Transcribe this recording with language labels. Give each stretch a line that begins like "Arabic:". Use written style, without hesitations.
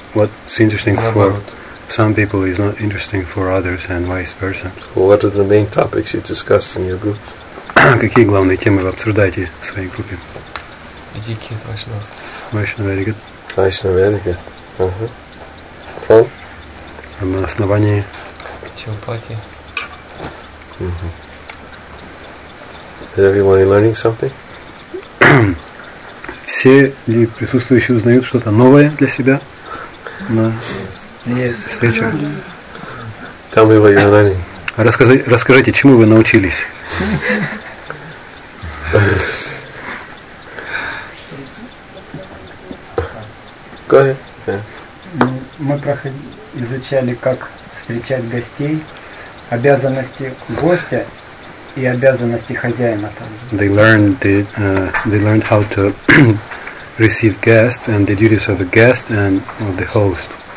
English: What's interesting for some people is not interesting for others, and vice versa. Well, what are the main topics you discuss in your group?
Russian: Какие главные темы вы обсуждаете в своей группе? Этикет вайшнавства. Вайшнаведикет. Вайшнаведикет.
English: From?
Russian: На основании. Чампати.
English: Is everyone learning something?
Russian: Все ли присутствующие узнают что-то новое для себя на встрече?
English: Tell me what you're learning.
Russian: Расскажите, чему вы научились?
English: Go ahead. Yeah.
Russian: Мы изучали, как встречать гостей, обязанности гостя и обязанности хозяина.
English: They learned how to receive guests and the duties of a guest and of the host.